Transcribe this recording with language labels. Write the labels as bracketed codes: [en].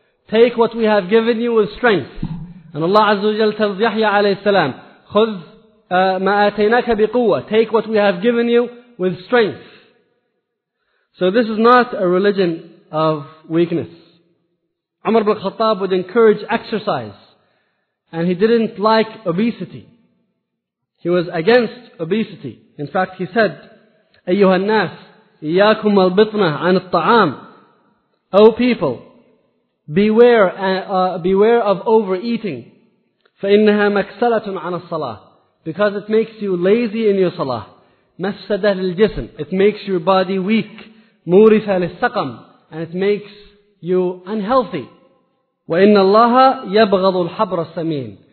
[en] Take what we have given you with strength. And Allah Azza wa Jal tells Yahya alayhi salam, [ar] "Khudh ma ataynaka biquwa." [en] Take what we have given you with strength. So this is not a religion of weakness. Umar bin Khattab would encourage exercise. And he didn't like obesity. He was against obesity. In fact, he said, [ar] "أيها الناس إياكم البطنة عن الطعام." [en] O people, beware of overeating. [ar] فإنها مكسلة عن الصلاة. [en] Because it makes you lazy in your salah. [ar] مفسدة للجسم. [en] It makes your body weak. [ar] مورثة للسقم. [en] And it makes you unhealthy. [ar] وَإِنَّ اللَّهَ يَبْغَضُ الْحَبْرَ السَّمِينَ.